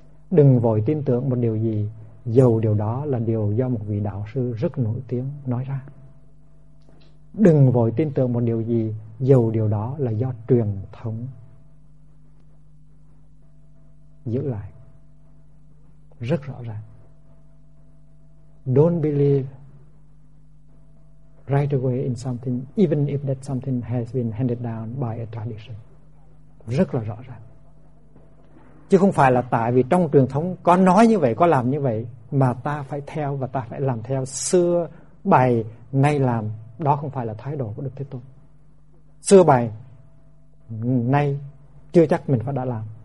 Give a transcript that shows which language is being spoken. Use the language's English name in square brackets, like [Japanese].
[Vietnamese] Đừng vội tin tưởng một điều gì, dầu điều đó là điều do một vị đạo sư rất nổi tiếng nói ra. Đừng vội tin tưởng một điều gì, dầu điều đó là do truyền thống giữ lại. Rất rõ ràng. [English] Don't believe right away in something, even if that something has been handed down by a tradition. [Vietnamese] Rất là rõ ràng. Chứ không phải là tại vì trong truyền thống có nói như vậy, có làm như vậy, mà ta phải theo và ta phải làm theo. Xưa bày, nay làm. Đó không phải là thái độ của Đức Thế Tôn. Xưa bày, nay chưa chắc mình phải đã làm.